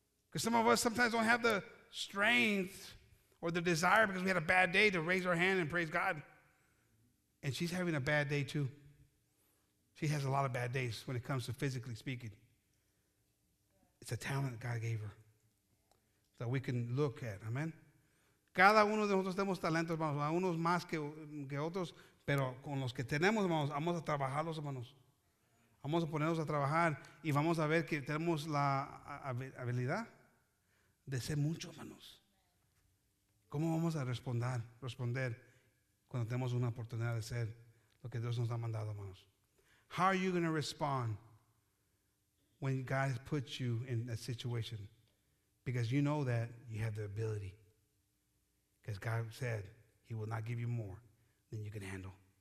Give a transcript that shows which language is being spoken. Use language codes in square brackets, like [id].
[en] Because some of us sometimes don't have the strength or the desire because we had a bad day to raise our hand and praise God. And she's having a bad day too. She has a lot of bad days when it comes to physically speaking. It's a talent that God gave her that we can look at. [es] Amen. Cada uno de nosotros tenemos talentos, hermanos. A unos más que otros, pero con los que tenemos, hermanos, vamos a trabajarlos, hermanos. Vamos a ponernos a trabajar y vamos a ver que tenemos la habilidad de ser mucho, hermanos. ¿Cómo vamos a responder cuando tenemos una oportunidad de ser lo que Dios nos ha mandado, hermanos? [en] How are you going to respond when God has put you in a situation? Because you know that you have the ability. Because God said he will not give you more than you can handle.